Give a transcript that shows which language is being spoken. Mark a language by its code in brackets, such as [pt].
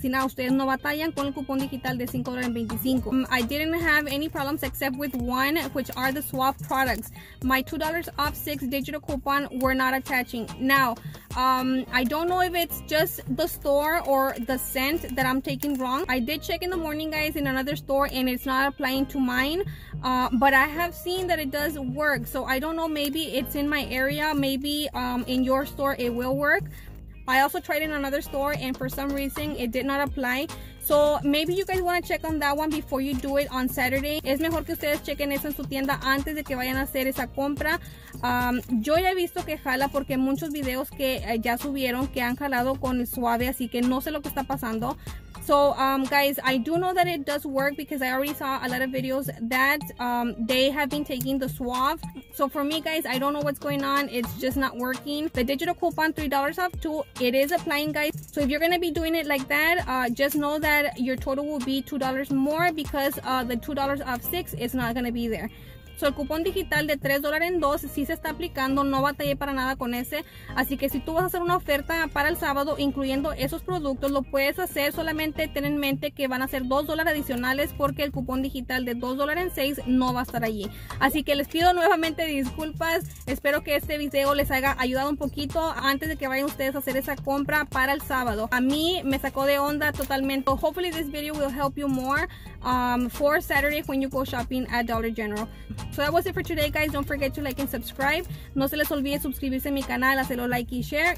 [es] Así nada, ustedes no batallan con el cupón digital de $5.25. [en] I didn't have any problems except with one, which are the Suave products. My $2 off 6 digital coupon were not attaching. Now, I don't know if it's just the store or the scent that I'm taking wrong. I did check in the morning, guys, in another store and it's not applying to mine. But I have seen that it does work. So I don't know, maybe it's in my area. Maybe in your store it will work. I also tried in another store and for some reason it did not apply. So maybe you guys want to check on that one before you do it on Saturday. [es] Es mejor que ustedes chequen eso en su tienda antes de que vayan a hacer esa compra. Yo ya he visto que jala porque muchos videos que ya subieron que han jalado con el suave, así que no sé lo que está pasando. [en] So guys, I do know that it does work because I already saw a lot of videos that they have been taking the suave. So for me guys, I don't know what's going on. It's just not working. The digital coupon $3 off too, it is applying guys. So if you're gonna be doing it like that, just know that your total will be $2 more because the $2 off $6 is not gonna be there. [es] So el cupón digital de $3 en 2 sí se está aplicando, no batallé para nada con ese. Así que si tú vas a hacer una oferta para el sábado incluyendo esos productos, lo puedes hacer. Solamente ten en mente que van a ser $2 adicionales porque el cupón digital de $2 en 6 no va a estar allí. Así que les pido nuevamente disculpas. Espero que este video les haya ayudado un poquito antes de que vayan ustedes a hacer esa compra para el sábado. A mí me sacó de onda totalmente. [en] So hopefully this video will help you more for Saturday when you go shopping at Dollar General. So that was it for today guys, don't forget to like and subscribe. [es] No se les olvide suscribirse a mi canal, hacerlo like y share.